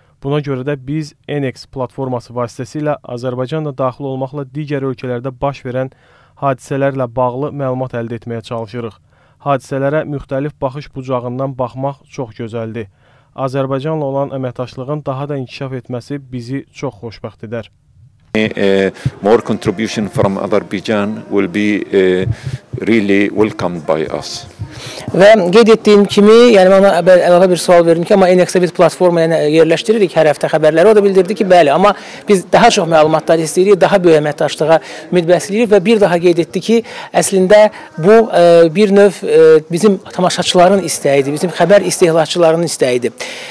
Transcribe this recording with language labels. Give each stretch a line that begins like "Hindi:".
Azerbaijani: Buna görə də biz NX platforması vasitəsilə Azərbaycanla daxil olmaqla digər ölkələrdə baş verən hadisələrlə bağlı məlumat əldə etməyə çalışırıq. Hadisələrə müxtəlif baxış bucağından baxmaq çox gözəldir. Azərbaycanla olan əməkdaşlığın daha da inkişaf etməsi bizi çox xoşbəxt edər.
English: More contribution from Azerbaijan will be really welcomed by us.
Azerbaijani: Və qeyd etdiyim kimi, yəni mən ona əlavə bir sual verdim ki, amma NX-ə biz platformaya yerləşdiririk hər həftə xəbərləri. O da bildirdi ki, bəli, amma biz daha çox məlumatlar istəyirik, daha böyük əməkdaşlığa ümid bəsləyirik və bir daha qeyd etdi ki, əslində bu bir növ bizim tamaşaçıların istəyidir, bizim xəbər istehlakçılarının istəyidir.